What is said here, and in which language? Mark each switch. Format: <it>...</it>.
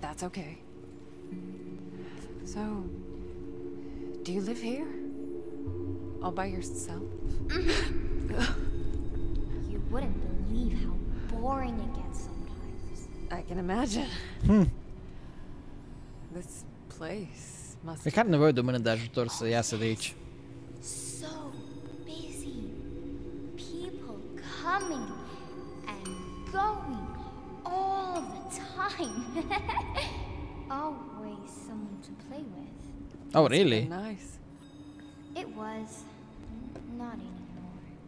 <en>That's okay. So, do you live here? All by yourself? You wouldn't believe how boring it gets sometimes. I can imagine. Hmm. This place must be...</en> <ro>Cred că nevoie de o mână de ajutor să iasă de aici.</ro> <en>So busy. People coming and going all the time. Always someone to play with. Oh, really? It's been nice. It was. Not anymore.</en>